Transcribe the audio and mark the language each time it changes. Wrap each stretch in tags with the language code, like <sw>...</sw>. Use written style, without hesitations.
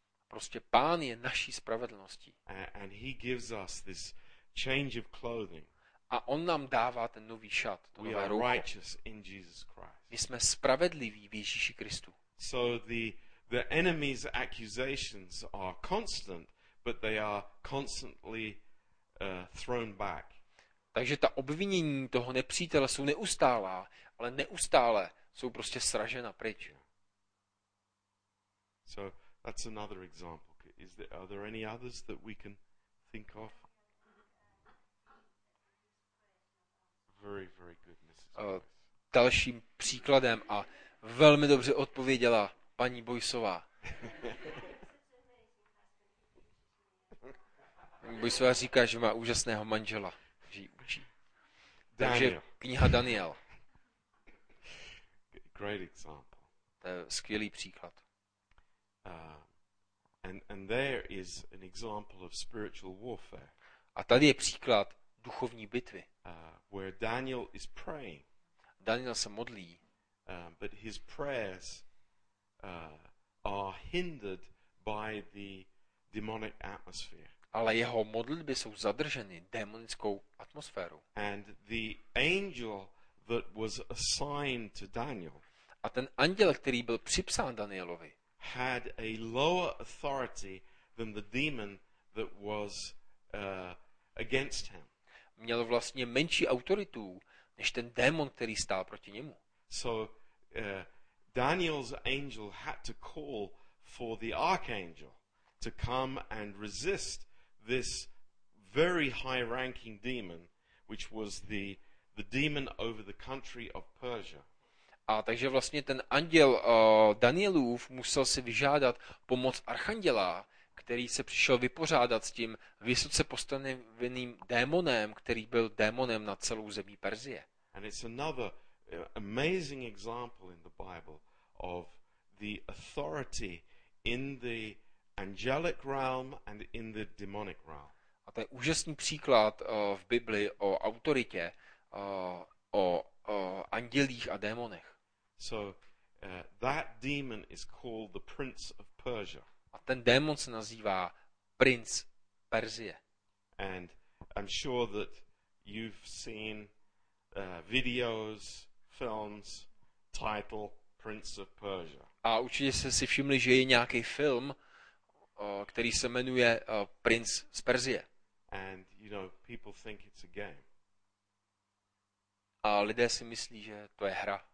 <cs>Prostě Pán je naší spravedlností.</cs> <en>And he gives us this change of clothing.</en> <cs>A on nám dává ten nový šat, to nové roucho. My jsme spravedliví v Ježíši Kristu.</cs> <en>So the enemy's accusations are constant, but they are constantly thrown back.</en> <cs>Takže ta obvinění toho nepřítele jsou neustálá, ale neustále jsou prostě sražena pryč.</cs> <en>So that's another example. Are there any others that we can think of? Very, very good, Mrs.</en> <cs>Dalším příkladem a velmi dobře odpověděla paní Bojsová. Paní Bojsová říká, že má úžasného manžela, že ji učí. Takže kniha Daniel.</cs> <en>Great example.</en> <cs>To je skvělý příklad.</cs> <en>And there is an example of spiritual warfare.</en> <cs>A tady je příklad duchovní bitvy.</cs> <en>Where Daniel is praying.</en> <cs>Daniel se modlí.</cs> <en>But his prayers are hindered by the demonic atmosphere.</en> <cs>Ale jeho modlitby jsou zadrženy démonickou atmosférou.</cs> <en>And the angel that was assigned to Daniel.</en> <cs>A ten anděl, který byl připsán Danielovi,</cs> <en>had a lower authority than the demon that was against him.</en> <cs>Měl vlastně menší autoritu než ten démon, který stál proti němu.</cs> <en>So Daniel's angel had to call for the archangel to come and resist this very high ranking demon, which was the demon over the country of Persia.</en> <cs>A takže vlastně ten anděl Danielův musel si vyžádat pomoc archanděla, který se přišel vypořádat s tím vysoce postaveným démonem, který byl démonem na celou zemí Perzie.</cs> <en>And it's another amazing example in the Bible of the authority in the angelic realm and in the demonic realm.</en> <cs>A to je úžasný příklad v Bibli o autoritě, o andělích a démonech.</cs> <en>So that demon is called the prince of Persia.</en> <cs>A ten démon se nazývá princ Perzie.</cs> <en>And I'm sure that you've seen videos, films, title Prince of Persia.</en> <cs>A určitě jste si všimli, že je nějaký film, který se jmenuje Prince z Perzie.</cs> <en>And you know, people think it's a game.</en> <cs>A lidé si myslí, že to je hra.</cs>